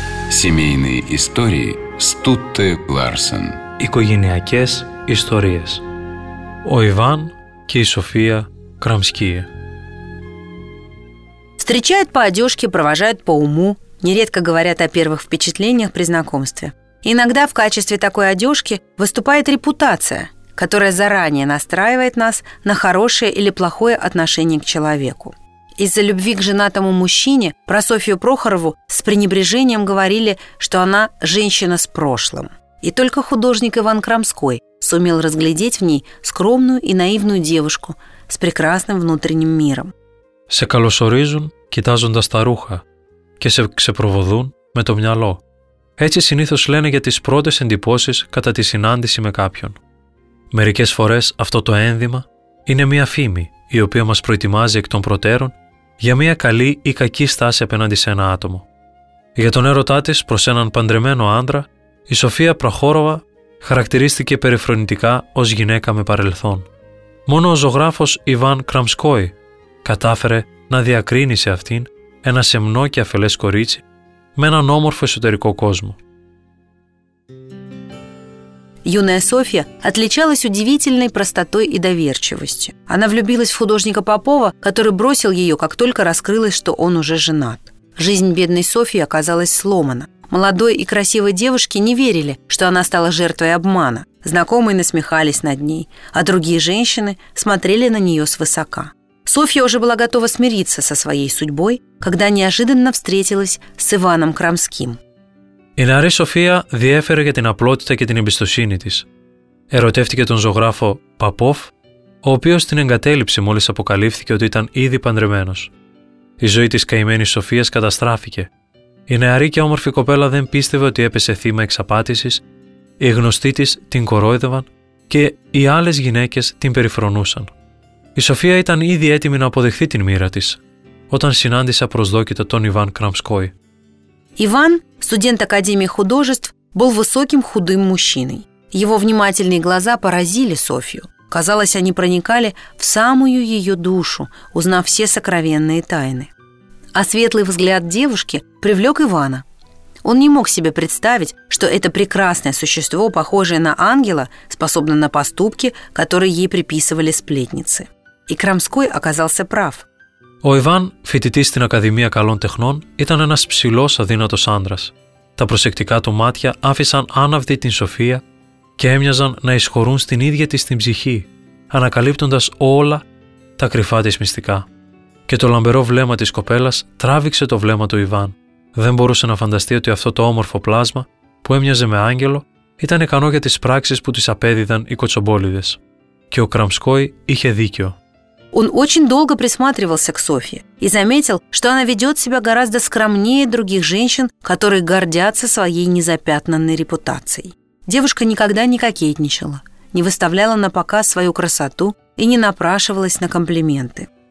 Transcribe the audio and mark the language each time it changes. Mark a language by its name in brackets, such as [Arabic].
[Russian] Семейные истории Стутте Ларсен. [Greek] Οικογενειακές ιστορίες. Ο Иван και η Софία Крамские. [Russian] Встречают по одежке, провожают по уму. Нередко говорят о первых впечатлениях при знакомстве. Иногда в качестве такой одежки выступает репутация, которая заранее настраивает нас на хорошее или плохое отношение к человеку. Из-за любви к женатому мужчине про Софью Прохорову с пренебрежением говорили, что она женщина с прошлым. И только художник Иван Крамской сумел разглядеть в ней скромную и наивную девушку с прекрасным внутренним миром. [Greek] Σε καλωσορίζουν κοιτάζοντας τα ρούχα και σε ξεπροβοδούν με το μυαλό. Έτσι συνήθως λένε για τις πρώτες εντυπώσεις κατά τη συνάντηση με κάποιον. Μερικές φορές αυτό το ένδυμα είναι μια φήμη η οποία μας προετοιμάζει εκ των προτέρων για μια καλή ή κακή στάση απέναντι σε ένα άτομο. Για τον έρωτά της προς έναν παντρεμένο άντρα, η Σοφία Προχώροβα χαρακτηρίστηκε περιφρονητικά ως γυναίκα με παρελθόν. Μόνο ο ζωγράφος Ιβάν Κραμσκόη κατάφερε να διακρίνει σε αυτήν ένα σεμνό και αφελές κορίτσι με έναν όμορφο εσωτερικό κόσμο. [Russian] Юная Софья отличалась удивительной простотой и доверчивостью. Она влюбилась в художника Попова, который бросил ее, как только раскрылось, что он уже женат. Жизнь бедной Софьи оказалась сломана. Молодой и красивой девушке не верили, что она стала жертвой обмана. Знакомые насмехались над ней, а другие женщины смотрели на нее свысока. Софья уже была готова смириться со своей судьбой, когда неожиданно встретилась с Иваном Крамским. [Greek] Η νεαρή Σοφία διέφερε για την απλότητα και την εμπιστοσύνη της. Ερωτεύτηκε τον ζωγράφο Παπόφ, ο οποίος την εγκατέλειψε μόλις αποκαλύφθηκε ότι ήταν ήδη παντρεμένος. Η ζωή της καημένης Σοφίας καταστράφηκε. Η νεαρή και όμορφη κοπέλα δεν πίστευε ότι έπεσε θύμα εξαπάτησης, οι γνωστοί της την κορόιδευαν και οι άλλες γυναίκες την περιφρονούσαν. Η Σοφία ήταν ήδη έτοιμη να αποδεχθεί την μοίρα της, όταν συνάντησε απροσδόκητα τον Ιβάν Крамской. [Russian] Иван, студент Академии художеств, был высоким худым мужчиной. Его внимательные глаза поразили Софью. Казалось, они проникали в самую ее душу, узнав все сокровенные тайны. А светлый взгляд девушки привлек Ивана. Он не мог себе представить, что это прекрасное существо, похожее на ангела, способно на поступки, которые ей приписывали сплетницы. И Крамской оказался прав. [Greek] Ο Ιβάν, φοιτητής στην Ακαδημία Καλών Τεχνών, ήταν ένας ψηλός αδύνατος άντρας. Τα προσεκτικά του μάτια άφησαν άναυδη την Σοφία και έμοιαζαν να εισχωρούν στην ίδια της την ψυχή, ανακαλύπτοντας όλα τα κρυφά της μυστικά. Και το λαμπερό βλέμμα της κοπέλας τράβηξε το βλέμμα του Ιβάν. Δεν μπορούσε να φανταστεί ότι αυτό το όμορφο πλάσμα, που έμοιαζε με άγγελο, ήταν ικανό για τις πράξεις που της απέδιδαν οι κοτσομπόλιδες. Και ο Крамской είχε δίκιο. [Russian] Он очень долго присматривался к Софье и заметил, что она ведет себя гораздо скромнее других женщин, которые гордятся своей незапятнанной репутацией. Девушка никогда не кокетничала, не выставляла на показ свою красоту и не напрашивалась на комплименты.